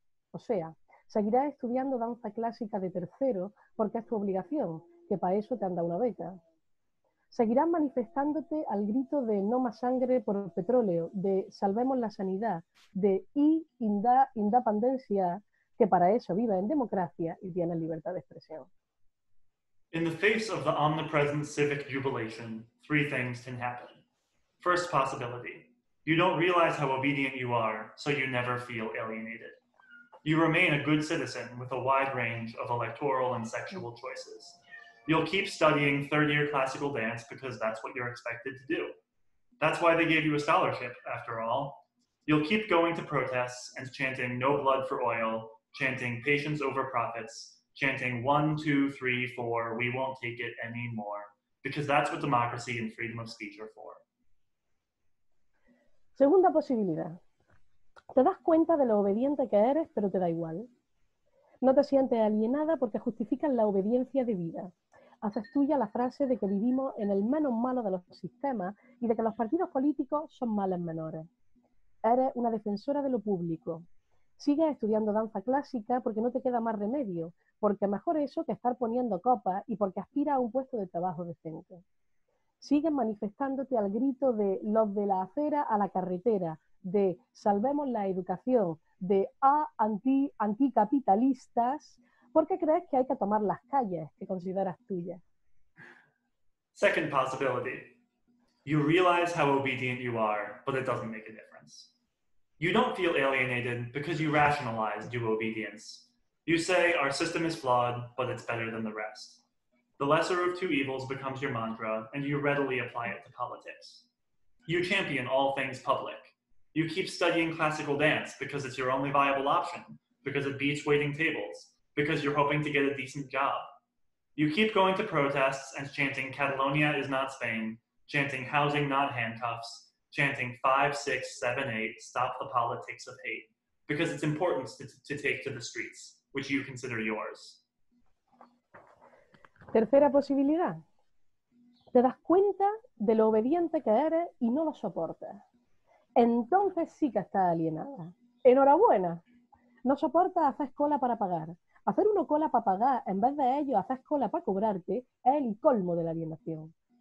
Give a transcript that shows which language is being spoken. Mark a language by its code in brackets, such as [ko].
[es] O sea, seguirás estudiando danza clásica de tercero porque es tu obligación, que para eso te han dado una beca. Seguirás manifestándote al grito de no más sangre por el petróleo, de salvemos la sanidad, de independencia, que para eso vive en democracia y tiene libertad de expresión. [en] In the face of the omnipresent civic jubilation, three things can happen. First possibility, You don't realize how obedient you are, so you never feel alienated. You remain a good citizen with a wide range of electoral and sexual choices. You'll keep studying third-year classical dance because that's what you're expected to do. That's why they gave you a scholarship, after all. You'll keep going to protests and chanting no blood for oil, chanting patience over profits, chanting 1, 2, 3, 4, we won't take it anymore, because that's what democracy and freedom of speech are for. [es] Segunda posibilidad. Te das cuenta de lo obediente que eres, pero te da igual. No te sientes alienada porque justificas la obediencia de vida. Haces tuya la frase de que vivimos en el menos malo de los sistemas y de que los partidos políticos son males menores. Eres una defensora de lo público. Sigues estudiando danza clásica porque no te queda más remedio, porque mejor eso que estar poniendo copas y porque aspiras a un puesto de trabajo decente. Sigues manifestándote al grito de los de la acera a la carretera, de salvemos la educación, de anticapitalistas, porque crees que hay que tomar las calles que consideras tuyas. [en] Second possibility. You realize how obedient you are, but it doesn't make a difference. You don't feel alienated because you rationalize due obedience. You say our system is flawed, but it's better than the rest. The lesser of two evils becomes your mantra, and you readily apply it to politics. You champion all things public. You keep studying classical dance because it's your only viable option, because it beats waiting tables, because you're hoping to get a decent job. You keep going to protests and chanting Catalonia is not Spain, chanting housing not handcuffs, chanting 5, 6, 7, 8, stop the politics of hate, because it's important to take to the streets, which you consider yours. [es] Tercera posibilidad. Te das cuenta de lo obediente que eres y no lo soportas. Entonces sí que estás alienada. Enhorabuena. No soportas hacer cola para pagar. Hacer una cola para pagar en vez de ello hacer cola para cobrarte es el colmo de la alienación.